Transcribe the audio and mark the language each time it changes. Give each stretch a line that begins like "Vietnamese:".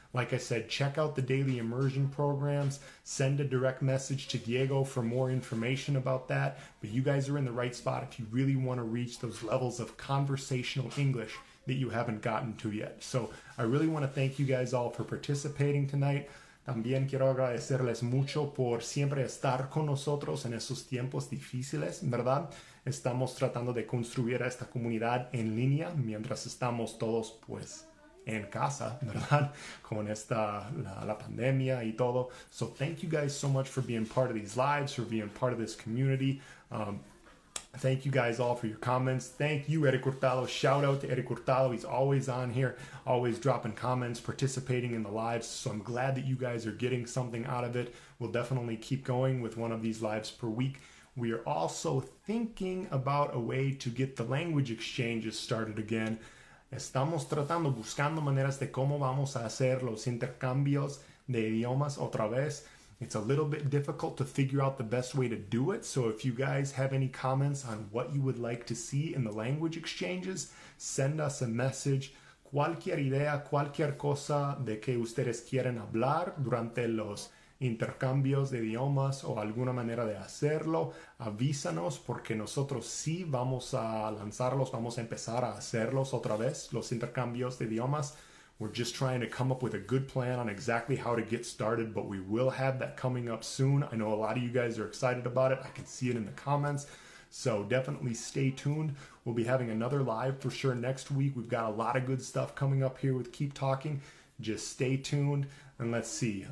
English: Like I said, check out the Daily Immersion Programs. Send a direct message to Diego for more information about that. But you guys are in the right spot if you really want to reach those levels of conversational English that you haven't gotten to yet. So I really want to thank you guys all for participating tonight.
Spanish: También quiero agradecerles mucho por siempre estar con nosotros en esos tiempos difíciles, ¿verdad? Estamos tratando de construir esta comunidad en línea mientras estamos todos, pues, en casa, ¿verdad? Con esta, la pandemia y todo.
English: So thank you guys so much for being part of these lives, for being part of this community. Thank you guys all for your comments. Thank you, Eric Hurtado. Shout out to Eric Hurtado. He's always on here, always dropping comments, participating in the lives. So I'm glad that you guys are getting something out of it. We'll definitely keep going with one of these lives per week. We are also thinking about a way to get the language exchanges started again.
Spanish: Estamos tratando, buscando maneras de cómo vamos a hacer los intercambios de idiomas otra vez.
English: It's a little bit difficult to figure out the best way to do it. So if you guys have any comments on what you would like to see in the language exchanges, send us a message.
Spanish: Cualquier idea, cualquier cosa de que ustedes quieren hablar durante los intercambios de idiomas o alguna manera de hacerlo, avísanos, porque nosotros sí vamos a lanzarlos, vamos a empezar a hacerlos otra vez, los intercambios de idiomas.
English: We're just trying to come up with a good plan on exactly how to get started, but we will have that coming up soon. I know a lot of you guys are excited about it. I can see it in the comments. So definitely stay tuned. We'll be having another live for sure next week. We've got a lot of good stuff coming up here with Keep Talking. Just stay tuned and let's see.